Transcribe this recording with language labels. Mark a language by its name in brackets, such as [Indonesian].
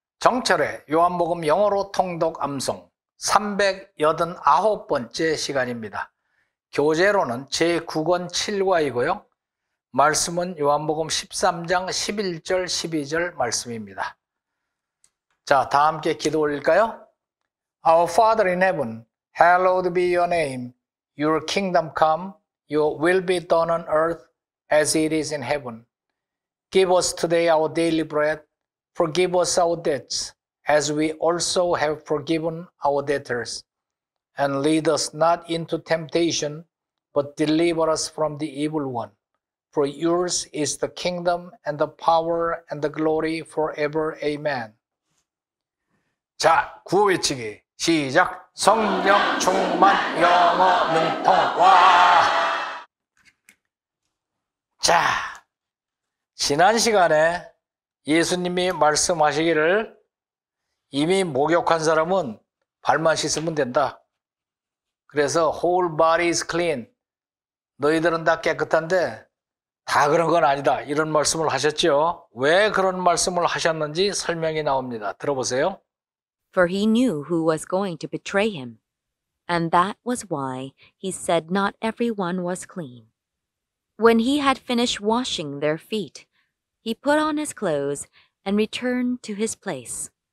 [Korean] 정철의 요한복음 영어로 통독 암송 389번째 시간입니다. 교재로는 제9권 7과이고요. 말씀은 요한복음 13장 11절 12절 말씀입니다. 자, 다 함께 기도 올릴까요? [English] Our Father in heaven, hallowed be your name. Your kingdom come, your will be done on earth as it is in heaven. Give us today our daily bread. Forgive us our debts, as we also have forgiven our debtors. And lead us not into temptation, but deliver us from the evil one. For yours is the kingdom and the power and the glory forever. [Korean] Amen. 자, 구호 외치기 시작! 성령 충만 영어 능통! 와! 자, 지난 시간에 예수님이 말씀하시기를 이미 목욕한 사람은 발만 씻으면 된다. [English] 그래서 whole body is clean. [Korean] 너희들은 다 깨끗한데 다 그런 건 아니다. 이런 말씀을 하셨죠. 왜 그런 말씀을 하셨는지 설명이 나옵니다. 들어보세요. [English] For he knew who was going to betray him. And that was why he said not everyone was clean. When he had finished washing their feet, he put on his clothes and returned to his place.